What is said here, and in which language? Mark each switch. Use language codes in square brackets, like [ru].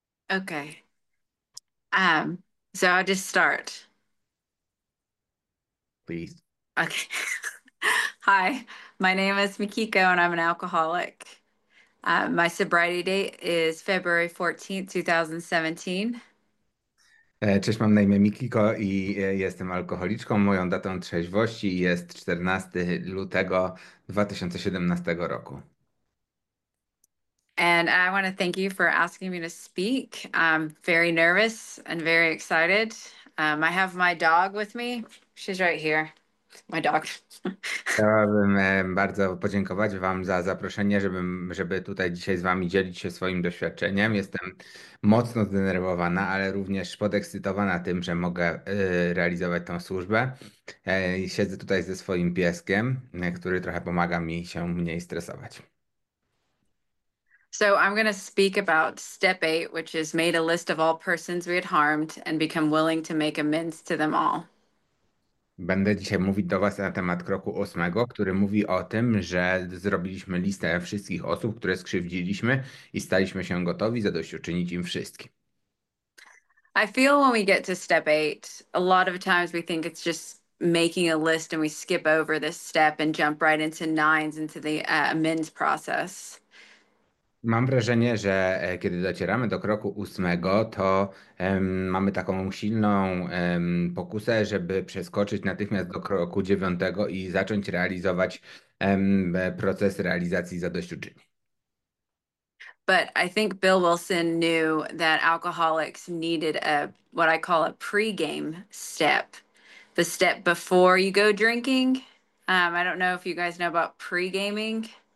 [en] Okay. So I'll just start. Please. Okay. Hi, my name is Mikiko and I'm an alcoholic. My sobriety date is February 14th, 2017. [pl] Cześć, mam na imię Mikiko i jestem alkoholiczką. Moją datą trzeźwości jest 14 lutego 2017 roku. [en] And I want to thank you for asking me to speak. I'm very nervous and very excited. I have my dog with me. She's right here. My dog. [pl] Chciałabym bardzo podziękować Wam za zaproszenie, żeby tutaj dzisiaj z Wami dzielić się swoim doświadczeniem. Jestem mocno zdenerwowana, ale również podekscytowana tym, że mogę realizować tę służbę. Siedzę tutaj ze swoim pieskiem, który trochę pomaga mi się mniej stresować. [en] So I'm going to speak about step eight, which is made a list of all persons we had harmed and become willing to make amends to them all. [pl] Będę dzisiaj mówić do Was na temat kroku ósmego, który mówi o tym, że zrobiliśmy listę wszystkich osób, które skrzywdziliśmy i staliśmy się gotowi zadośćuczynić im wszystkim. [en] I feel when we get to step eight, a lot of times we think it's just making a list and we skip over this step and jump right into nines into the amends process. [pl] Mam wrażenie, że kiedy docieramy do kroku ósmego, to mamy taką silną pokusę, żeby przeskoczyć natychmiast do kroku dziewiątego i zacząć realizować proces realizacji zadośćuczynień. [en] But I think Bill Wilson knew that alcoholics needed a what I call a pre-game step, the step before you go drinking. I don't know if you guys know about pre-gaming.